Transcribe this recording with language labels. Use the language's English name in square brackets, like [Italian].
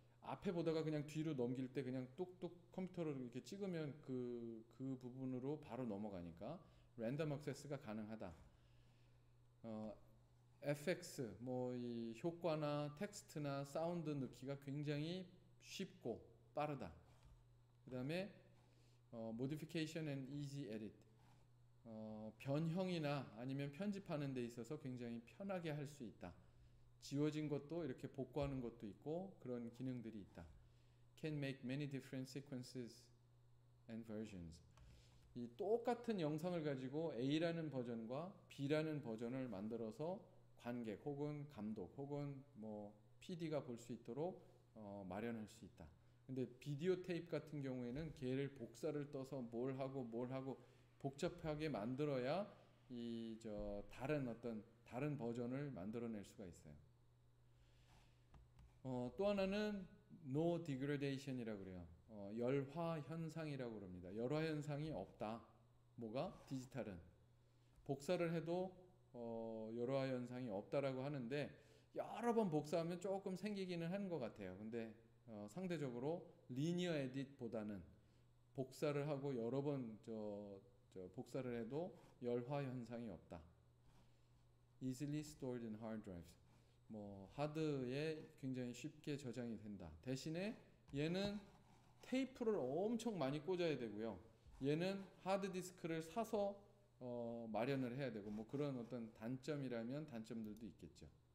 [Korean] 앞에 보다가 그냥 뒤로 넘길 때 그냥 뚝뚝 컴퓨터로 이렇게 찍으면 그 부분으로 바로 넘어가니까 랜덤 액세스가 가능하다. FX 뭐이 효과나 텍스트나 사운드 넣기가 굉장히 쉽고 빠르다. 그다음에 [English] modification and easy edit. [Korean] 변형이나 아니면 편집하는 데 있어서 굉장히 편하게 할수 있다. 지워진 것도 이렇게 복구하는 것도 있고 그런 기능들이 있다. [English] Can make many different sequences and versions. [Korean] 이 똑같은 영상을 가지고 A라는 버전과 B라는 버전을 만들어서 관객 혹은 감독 혹은 뭐 PD가 볼수 있도록 마련할 수 있다. 근데 비디오 테이프 같은 경우에는 걔를 복사를 떠서 뭘 하고 뭘 하고 복잡하게 만들어야 이저 다른 버전을 만들어낼 수가 있어요. 또 하나는 [English] no degradation [Korean] 이라고 그래요. 열화 현상이라고 그럽니다. 열화 현상이 없다. 뭐가? 디지털은 복사를 해도 열화 현상이 없다라고 하는데 여러 번 복사하면 조금 생기기는 하는 것 같아요. 근데 상대적으로 리니어 에딧보다는 복사를 하고 여러 번저 복사를 해도 열화 현상이 없다. [English] Easily stored in hard drives. [Korean] 뭐 하드에 굉장히 쉽게 저장이 된다. 대신에 얘는 테이프를 엄청 많이 꽂아야 되고요. 얘는 하드 디스크를 사서 마련을 해야 되고, 뭐 그런 어떤 단점이라면 단점들도 있겠죠.